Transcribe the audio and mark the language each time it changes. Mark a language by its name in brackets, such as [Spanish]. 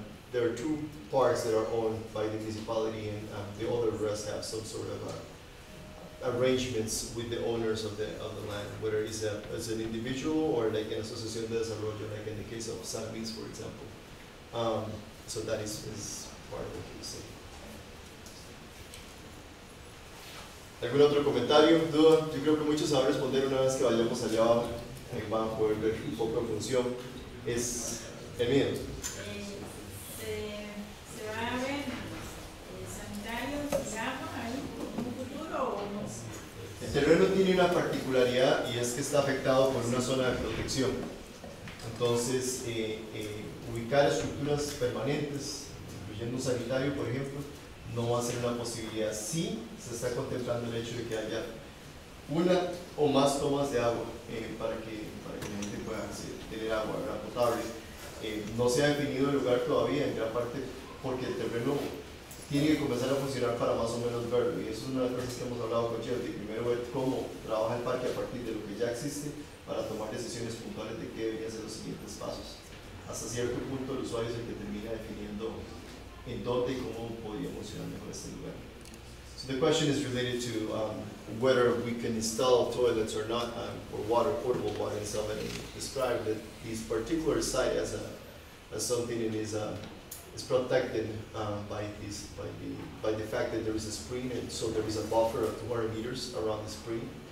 [English] There are two parks that are owned by the municipality, and the other rest have some sort of arrangements with the owners of the land, whether it's as an individual or like an Asociación de Desarrollo, like in the case of San Luis, for example. So that is part of what you see. [Spanish] ¿Algún otro comentario, duda? Yo creo que muchos saben responder una vez que vayamos allá abajo. Ahí van a poder ver un poco en función. Es el miedo. Se van a ver sanitarios, digamos, ahí, en un futuro o no sé. El terreno tiene una particularidad y es que está afectado por una zona de protección. Entonces, ubicar estructuras permanentes, incluyendo un sanitario, por ejemplo, no va a ser una posibilidad. Sí, se está contemplando el hecho de que haya una o más tomas de agua para que la gente pueda tener agua potable. no se ha definido el lugar todavía, en gran parte porque el terreno tiene que comenzar a funcionar para más o menos verlo. Y eso es una de las cosas que hemos hablado con Jeff, de primero ver cómo trabaja el parque a partir de lo que ya existe para tomar decisiones puntuales de qué deberían ser los siguientes pasos. Hasta cierto punto el usuario es el que termina definiendo en dónde y cómo podría funcionar mejor este lugar. [English] So the question is related to whether we can install toilets or not, or water, portable water, and somebody described that this particular site as a as something that is protected by the fact that there is a spring, and so there is a buffer of 200 meters around the spring.